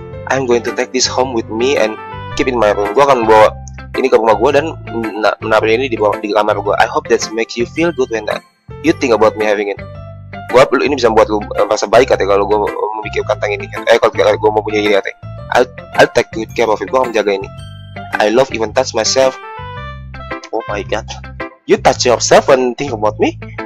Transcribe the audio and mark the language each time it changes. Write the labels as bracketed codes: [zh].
[en] I'm going to take this home with me and keep in my room. [id] Gue akan bawa ini ke rumah gue dan menaruh ini di kamar gue. [en] I hope that makes you feel good when you think about me having it. [id] Gue ini bisa buat lu merasa baik katanya kalau gue memikirkan tentang ini. Kalau gue mau punya ini katanya. [en] I'll take good care of it. [id] Gue akan menjaga ini. [en] I love even touch myself. Oh my god, you touch yourself and think about me?